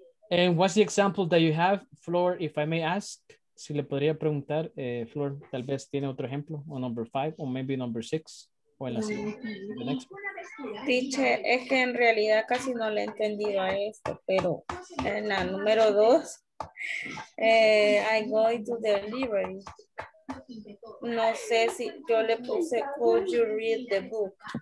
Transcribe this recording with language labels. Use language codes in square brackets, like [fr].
[en] And what's the example that you have, Flor, if I may ask? [es] Si le podría preguntar, Flor, tal vez tiene otro ejemplo, o number 5, o [en] maybe number 6, [es] o en la siguiente. Teacher, es que en realidad casi no le he entendido a esto, pero en la número 2, [en] I go to delivery. [es] No sé si yo le puse, [en] could you read the book?